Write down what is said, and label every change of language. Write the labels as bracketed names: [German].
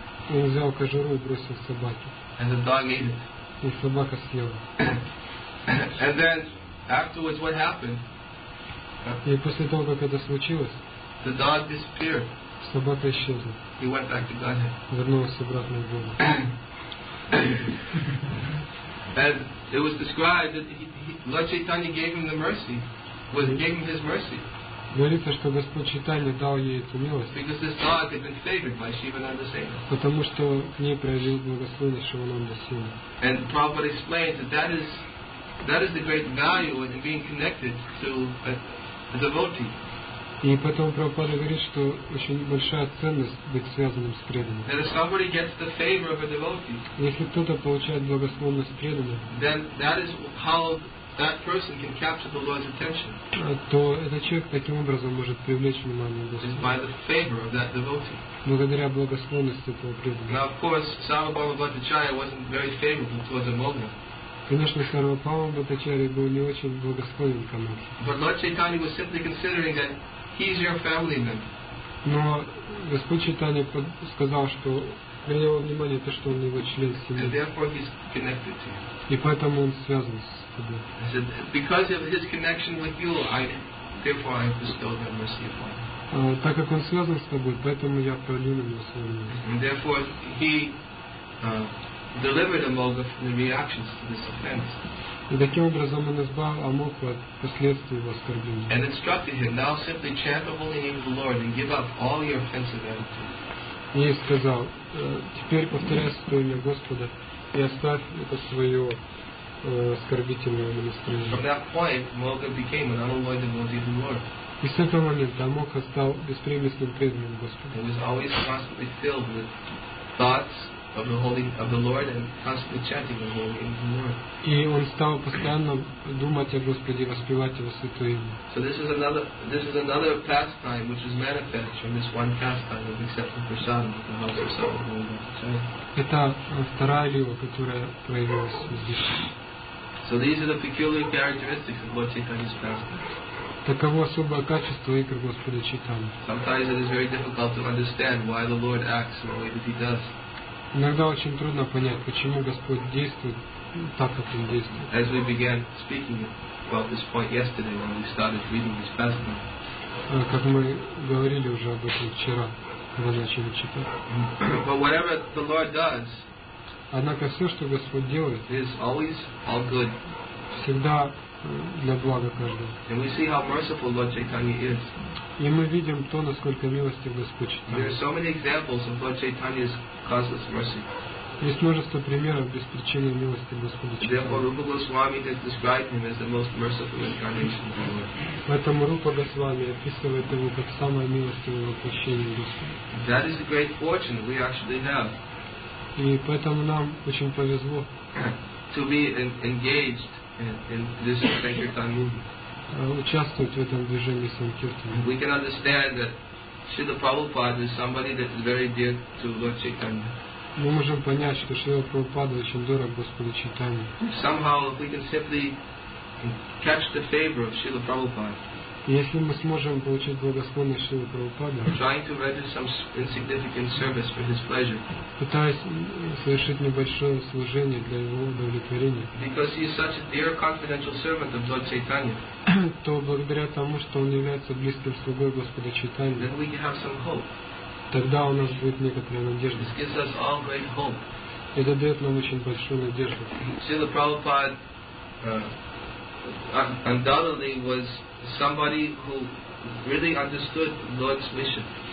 [Russian] И он взял кожуру и бросил в собаке. И собака съела. И после того, как это случилось, [English] the dog disappeared. [Russian] Собака исчезла. [English] He went back to Godhead. [Russian] Вернулась обратно в Бога. [English] And it was described that Lord Chaitanya gave him the mercy. Gave him his mercy. [Russian] Говорится, что Господь Чайтанья дал ей эту милость. [English] Because this dog had been favored by Shivananda Sena. [Russian] Потому что к ней проявил благословение Шивананда Сена. [English] And Prabhupada explains that is the great value in being connected to a devotee. [Russian] И потом Прабхупада говорит, что очень большая ценность быть связанным с преданным. [English] That if somebody gets the favor of a devotee, [Russian] если кто-то получает благословность преданного, [English] then that is how that person can capture the Lord's attention. [Russian] То этот человек таким образом может привлечь внимание Господа. [English] It's by the favor of that devotee. [Russian] Благодаря благосклонности этого преданного. [English] Now, of course, Sarvabhauma Bhattacharya wasn't very favorable towards Amogha. [Russian] Конечно, Сарвабхаума Бхаттачарья был не очень благосклонен к Амогхе. [English] But Lord Chaitanya was simply considering that he's your family member. [Russian] Но Господь Чайтанья сказал, что принял внимание то, что он его член семьи. [English] And therefore he's connected to you. [Russian] И поэтому он связан с тобой. [English] He said, because of his connection with you, therefore I bestowed that mercy upon him. [Russian] Так как он связан с тобой, поэтому я пролил на него свою милость. [English] And therefore he delivered Amogha from the reactions to this offense. [Russian] И таким образом он избавил Амогху от последствий его оскорбления. [English] And instructed him, now simply chant the holy name of the Lord and give up all your offensive attitude. [Russian] И сказал, теперь повторяй свое имя Господа и оставь это свое оскорбительное настроение. [English] From that point, Amogha became an unalloyed devotee of the Lord. [Russian] И с этого момента Амогха стал беспрепятственным преданным Господа. [English] He was always constantly filled with thoughts of the holy of the Lord and constantly chanting the holy name of the Lord. [Russian] И он стал постоянно думать о Господе, воспевать его святое имя. [English] So this is another pastime which is manifest from this one pastime of accepting prasadam at the house of Sarvabhauma. [Russian] Это вторая лила, которая проявилась здесь. [English] So these are the peculiar characteristics of Lord Chaitanya's pastime. [Russian] Таково особое качество игр Господа Чайтаньи. [English] Sometimes it is very difficult to understand why the Lord acts the way that he does. [Russian] Иногда очень трудно понять, почему Господь действует так, как Он действует. [English] As we began speaking about this point yesterday when we started reading this passage. [Russian] Как мы говорили уже об этом вчера, когда начали читать. [English] But whatever the Lord does, [Russian] однако все, что Господь делает, [English] is always all good. [Russian] Всегда для блага каждого. [English] And we see how merciful Lord Chaitanya is. [Russian] И мы видим то, насколько милостив Господь Чайтанья. [English] There are so many examples of Lord Chaitanya's causeless mercy. [Russian] Есть множество примеров беспричинной милости Господа Чайтанья. [English] Therefore, Rupa Goswami has described him as the most merciful incarnation of the Lord. [Russian] Поэтому Рупа Госвами описывает его как самое милостивое воплощение Господа. [English] That is a great fortune we actually have. [Russian] И поэтому нам очень повезло. [English] To be engaged in this Sankirtan movement. [Russian] Участвовать в этом движении Санкиртана. [English] We can understand that Śrīla Prabhupāda is somebody that is very dear to Lord Chaitanya. [Russian] Мы можем понять, что Śrīla Prabhupāda очень дорог Господу Чайтанье. [English] Somehow, if we can simply catch the favor of Śrīla Prabhupāda. [Russian] Если мы сможем получить благосклонность Śrīla Prabhupāda. [English] Trying to render some insignificant service for His pleasure. [Russian] Пытаясь совершить небольшое служение для Его удовлетворения. [English] Because He is such a dear confidential servant of Lord Chaitanya. [Russian] То благодаря тому, что он является близким слугой Господа Чайтаньи, [English] then we have some hope. [Russian] Тогда у нас будет некоторая надежда. [English] This gives us all great hope. [Russian] Это дает нам очень большую надежду. [English] Śrīla Prabhupāda undoubtedly was somebody who really understood Lord's mission.